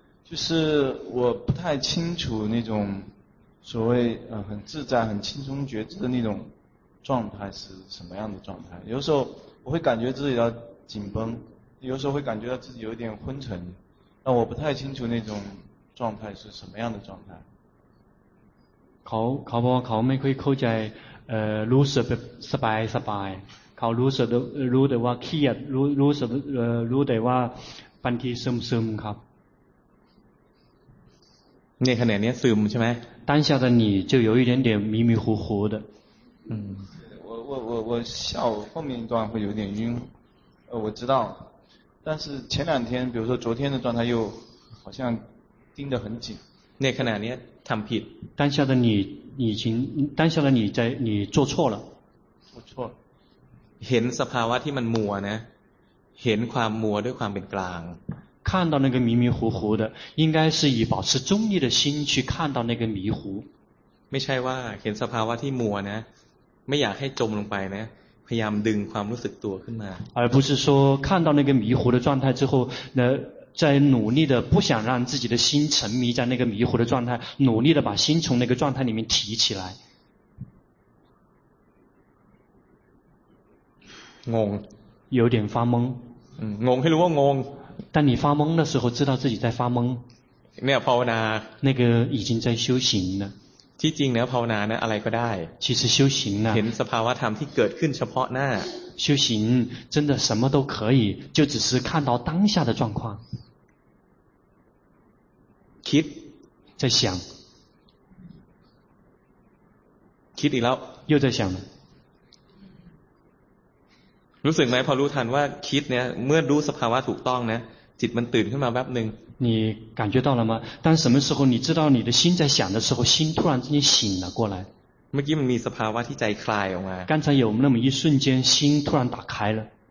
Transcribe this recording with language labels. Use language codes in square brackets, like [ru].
[zh] 就是我不太清楚那种所谓很自在很轻松觉知的那种状态是什么样的状态，有时候我会感觉自己要紧绷，有时候会感觉到自己有点昏沉，但我不太清楚那种状态是什么样的状态。 [th] เขาบอกเขาไม่ค่อยเข้าใจรู้สึกแบบสบายสบายเขารู้สึกรู้แต่ว่าเครียดรู้สึกรู้แต่ว่าบางทีซึมครับ ในขณะนี้ซึมใช่ไหม [zh] 当下的你就有一点点迷迷糊糊的我下午后面一段会有点晕我知道但是前两天比如说昨天的状态又好像盯得很紧 [th] ในขณะนี้ทำผิด [zh] 当下的你已经当下的你在你做错了做错 [th] เห็นสภาวะที่มันมัวนะเห็นความมัวด้วยความเป็นกลาง [zh] 看到那个迷迷糊糊的应该是以保持中立的心去看到那个迷糊 [th] ไม่ใช่ว่าเห็นสภาวะที่มัวนะไม่อยากให้จมลงไปนะพยายามดึงความรู้สึกตัวขึ้นมา [zh] 而不是说看到那个迷糊的状态之后那在努力的不想让自己的心沉迷在那个迷糊的状态努力的把心从那个状态里面提起来懵有点发懵懵就是懵但你发懵的时候知道自己在发懵没有泡娜那个已经在修行了 [th] ที่จริงแล้วภาวนาเนี่ยอะไรก็ได้ [zh] 其实修行呢 [th] เห็นสภาวะธรรมที่เกิดขึ้นเฉพาะหน้า [zh] 修行真的什么都可以就只是看到当下的状况 [th] คิด [zh] 在想 [th] คิดอีกแล้ว [zh] 又在想 [th] รู้สึกไหมพอรู้ทันว่าคิดเนี่ยเมื่อรู้สภาวะถูกต้องนะจิตมันตื่นขึ้นมาแป๊บนึง [zh] 你感觉到了吗当什么时候你知道你的心在想的时候心突然之间醒了过来 [th] เมื่อกี้มันมีสภาวะที่ใจคลายออกมา [zh] 刚才有那么一瞬间心突然打开了